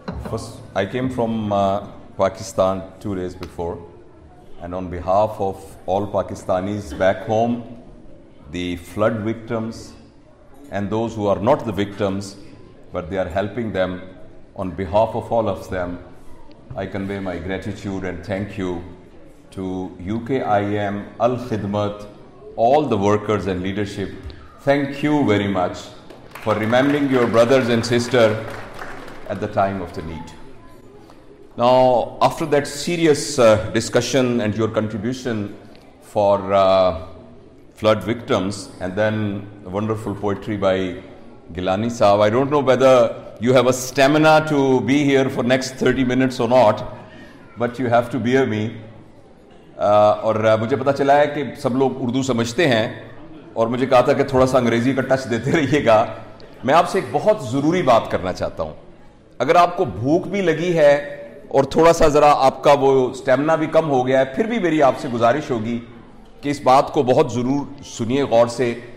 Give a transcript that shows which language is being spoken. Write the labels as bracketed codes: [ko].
[en] First I came from Pakistan two days before and on behalf of all Pakistanis back home the flood victims and those who are not the victims but they are helping them on behalf of all of them I convey my gratitude and thank you to you کے I am Alkhidmat all the workers and leadership. Thank you very much for remembering your brothers and sister at the time of the need. Now, after that serious discussion and your contribution for flood victims and then wonderful poetry by Gilani Sahab, I don't know whether you have a stamina to be here for next 30 minutes or not, but you have to bear me. [ur] Aur mujhe pata chala hai ki sab log Urdu samajhte hain اور مجھے کہا تھا کہ تھوڑا سا انگریزی کا touch دیتے رہیے گا. میں آپ سے ایک بہت ضروری بات کرنا چاہتا ہوں. اگر آپ کو بھوک بھی لگی ہے اور تھوڑا سا ذرا آپ کا وہ سٹیمنا بھی کم ہو گیا ہے, پھر بھی میری آپ سے گزارش ہوگی کہ اس بات کو بہت ضرور سنیے غور سے.